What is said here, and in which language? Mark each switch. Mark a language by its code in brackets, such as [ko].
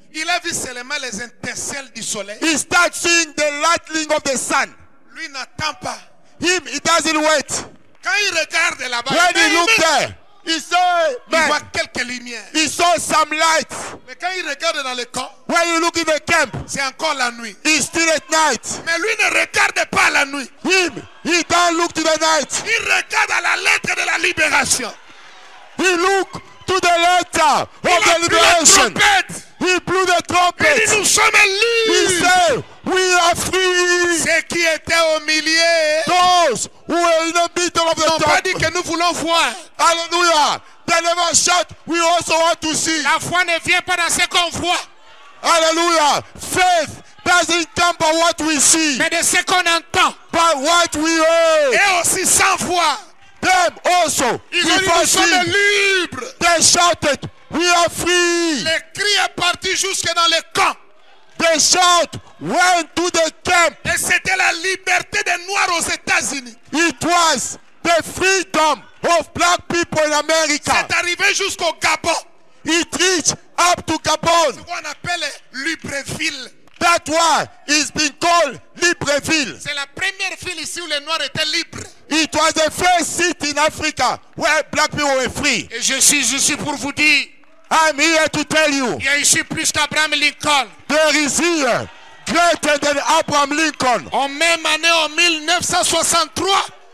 [fr] Il a vu seulement les étincelles du soleil. [en] He started seeing the lightning of the sun. [fr] Lui n'attend pas. [en] Him, he doesn't wait. [fr] Quand il regarde là-bas, [en] when he looked there. He saw, man, [fr] il voit quelques lumières. [en] He saw some lights. [fr] Mais quand il regarde dans le camp, [en] when you look in the camp, [fr] c'est encore la nuit. [en] It's still at night. [fr] Mais lui ne regarde pas la nuit. [en] Him, he don't look to the night. [fr] Il regarde à la lettre de la libération. [en] He look to the letter il of a the liberation. Blew the trumpet. He blew the trumpet. [fr] Et nous sommes libres. [en] He said, we are free. [fr] Ceux qui étaient au milieu, [en] those who were in the middle of the top, [fr] pas dit que nous voulons voir. Alléluia. [en] They never shout, we also want to see. [fr] La foi ne vient pas dans ce qu'on voit. [en] Alléluia. Faith doesn't come by what we see. [fr] Mais de ce qu'on entend. [en] By what we hear. [fr] Et aussi sans foi. [en] Them also. [fr] Ils ont dit, nous sommes libres. [en] They shouted, we are free. [fr] Les cris sont partis jusque dans les camps. [en] They shout went to the camp. [fr] Et c'était la liberté des noirs aux États-Unis. [en] It was the freedom of black people in America. [fr] C'est arrivé jusqu'au Gabon. [en] It reached up to Gabon. [fr] C'est ce qu'on appelle Libreville. [en] That why it's been called Libreville. [fr] C'est la première ville ici où les noirs étaient libres. [en] It was the first city in Africa where black people were free. [fr] Et je suis ici pour vous dire, [en] I'm here to tell you. [fr] Il y a ici plus qu'Abraham Lincoln. [en] There is here greater than Abraham Lincoln. [fr] En même année, en 1963,